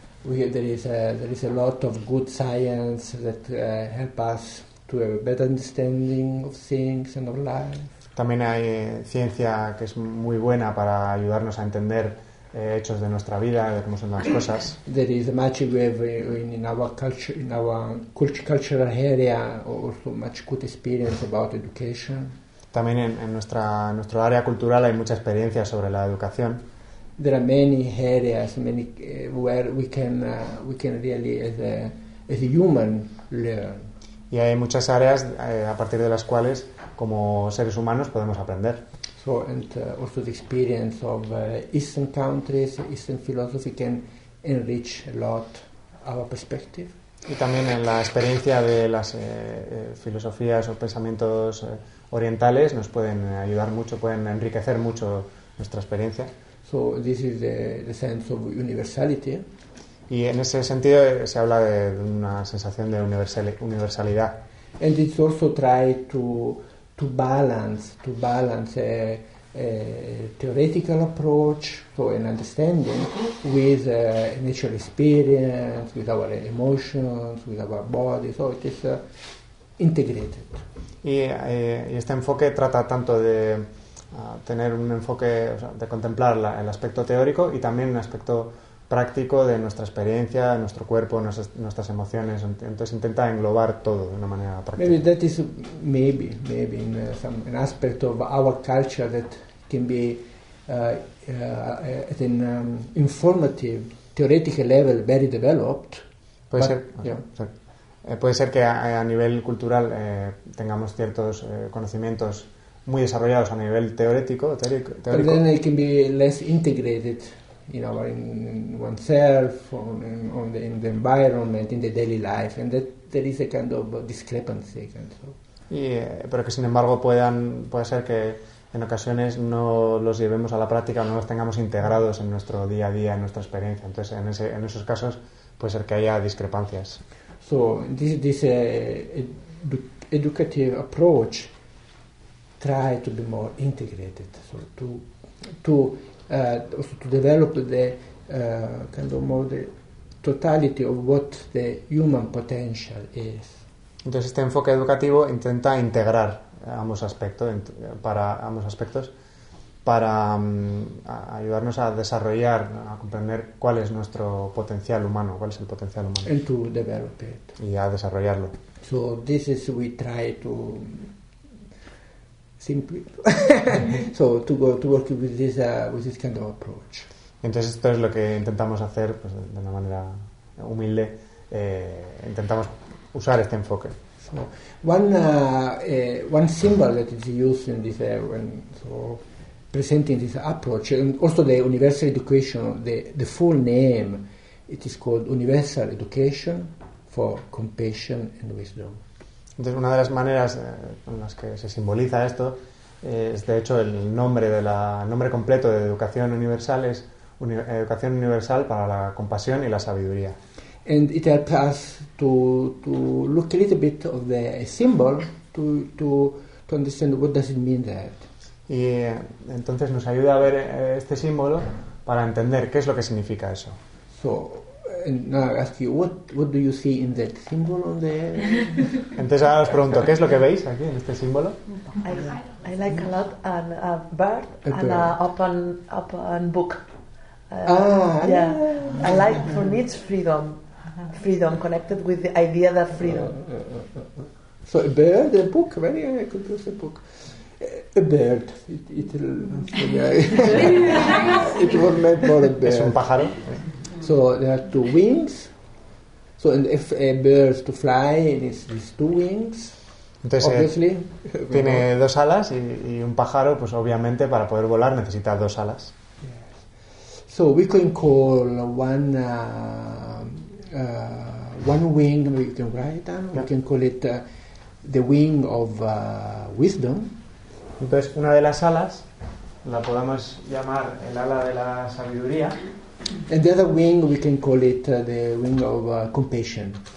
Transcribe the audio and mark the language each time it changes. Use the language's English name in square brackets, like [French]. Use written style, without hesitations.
[English] There is a lot of good science that help us to have a better understanding of things and of life. [Spanish] También hay ciencia que es muy buena para ayudarnos a entender hechos de nuestra vida, de cómo son las cosas. [English] There is much we have in our cultural area, also much good experience about education. [Spanish] También en nuestro área cultural hay mucha experiencia sobre la educación. [English] There are many areas, many where we can really as a human learn. [Spanish] Y hay muchas áreas a partir de las cuales como seres humanos podemos aprender. [English] So and also the experience of Eastern countries, Eastern philosophy can enrich a lot our perspective. [Spanish] Y también en la experiencia de las filosofías o pensamientos orientales nos pueden ayudar mucho, pueden enriquecer mucho nuestra experiencia. [English] So this is the sense of universality. [Spanish] Y en ese sentido se habla de una sensación de universalidad. [English] And it's also try to balance a theoretical approach, so an understanding, with a natural experience, with our emotions, with our body, so it is integrated. [Spanish] Y este enfoque trata tanto de tener un enfoque, o sea, de contemplar el aspecto teórico y también un aspecto práctico de nuestra experiencia, nuestro cuerpo, nuestras emociones. Entonces intenta englobar todo de una manera práctica. [English] Maybe that is maybe in some an aspect of our culture that can be at an informative theoretical level very developed. [Spanish] Puede ser que a nivel cultural tengamos ciertos conocimientos muy desarrollados a nivel teórico. [English] But then it can be less integrated. You know, in oneself, in the environment, in the daily life, and that there is a kind of discrepancy. And so. [Spanish] Pero que sin embargo puede ser que en ocasiones no los llevemos a la práctica, no los tengamos integrados en nuestro día a día, en nuestra experiencia. Entonces, en esos casos, puede ser que haya discrepancias. [English] So this educative approach try to be more integrated. So also to develop the kind of more the totality of what the human potential is. [Spanish] Entonces este enfoque educativo intenta integrar ambos aspectos para ayudarnos a desarrollar, a comprender cuál es nuestro potencial humano, cuál es el potencial humano. [English] And to develop it. [Spanish] Y a desarrollarlo. [English] So this is we try to. Simply, so to work with this kind of approach. [Spanish] Entonces esto es lo que intentamos hacer, pues de una manera humilde, intentamos usar este enfoque. [English] So one symbol that is used in this when presenting this approach, and also the universal education, the full name, it is called Universal Education for Compassion and Wisdom. [Spanish] Entonces, una de las maneras en las que se simboliza esto es, de hecho, el nombre completo de Educación Universal es Educación Universal para la Compasión y la Sabiduría. [English] And it helps us to look a little bit of the symbol to understand what does it mean that. [Spanish] Y entonces nos ayuda a ver este símbolo para entender qué es lo que significa eso. [English] So, now I ask you, what do you see in that symbol on the? [Spanish] Entonces ahora os pregunto, ¿qué es lo que veis aquí en este símbolo? [English] I like a lot a bird and an open book. I like, for me it's freedom. Freedom connected with the idea of freedom. So a bird, a book, very good, a book. A bird. It was made for a bird. [Spanish] Es un pájaro. [English] So there are two wings. So and if a bird is to fly, it is these two wings. [Spanish] Entonces, [English] obviously. [Spanish] Tiene dos alas y un pájaro, pues obviamente para poder volar necesita dos alas. [English] Yes. So we can call one wing, right? We can call it the wing of wisdom. [Spanish] Entonces, una de las alas la podemos llamar el ala de la sabiduría. [English] And the other wing we can call it the wing of compassion.